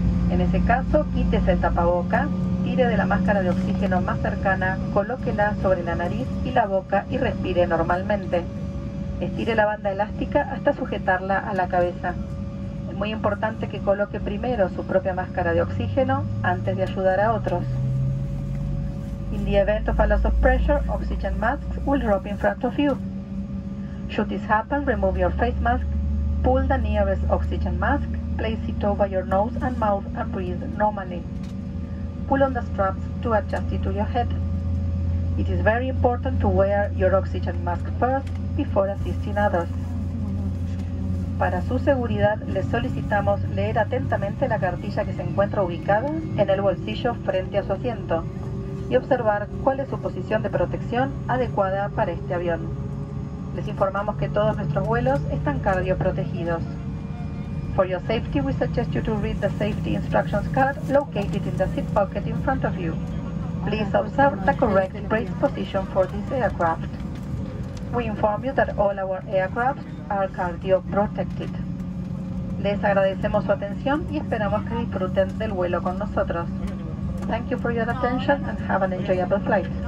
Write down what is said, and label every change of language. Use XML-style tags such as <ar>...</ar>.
<es>En ese caso, quítese el tapaboca, tire de la máscara de oxígeno más cercana, colóquela sobre la nariz y la boca y respire normalmente. Estire la banda elástica hasta sujetarla a la cabeza. Es muy importante que coloque primero su propia máscara de oxígeno antes de ayudar a otros.</es> <en>In the event of a loss of pressure, oxygen masks will drop in front of you. Should this happen, remove your face mask, pull the nearest oxygen mask, place it over your nose and mouth and breathe normally. Pull on the straps to adjust it to your head. It is very important to wear your oxygen mask first before assisting others.</en> <es>Para su seguridad, le solicitamos leer atentamente la cartilla que se encuentra ubicada en el bolsillo frente a su asiento y observar cuál es su posición de protección adecuada para este avión. Les informamos que todos nuestros vuelos están cardioprotegidos.</es> <en>For your safety, we suggest you to read the safety instructions card located in the seat pocket in front of you. Please observe the correct brace position for this aircraft. We inform you that all our aircraft are cardioprotected.</en> <es>Les agradecemos su atención y esperamos que disfruten del vuelo con nosotros.</es> <en>Thank you for your attention and have an enjoyable flight.</en>